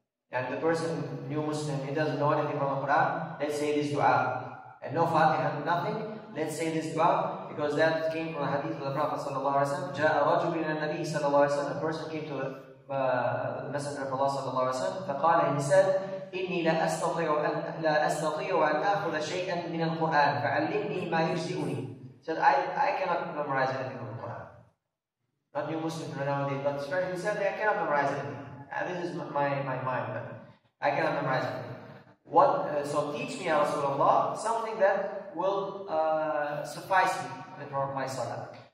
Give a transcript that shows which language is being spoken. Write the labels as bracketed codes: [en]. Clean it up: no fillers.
[en] And the person, new Muslim, he doesn't know anything from the Quran, let's say this dua. And no Fatiha, nothing, let's say this dua. because that came from a hadith of the Prophet sallallahu alaihi wasallam. [ar] جَاءَ رَجُلٌ إِلَى النَّبِيِّ صَلَّى اللَّهُ عَلَيْهِ وَسَلَّمَ. [en] A person came to the Messenger of Allah sallallahu alaihi wasallam. [ar] فَقَالَ, [en] he said, [ar] إِنِّي لَأَسْتَطِيعُ أَنْ أَخُذَ شَيْئًا مِنَ الْقُرْآنِ فَعَلِّمْنِي مَا يُجْزِئُنِي. [en] Said, I cannot memorize anything from the Quran. Not new Muslim nowadays, but he said, I cannot memorize anything. This is my mind. I cannot memorize anything. So teach me, Ya Rasulullah, something that will suffice me for my salah.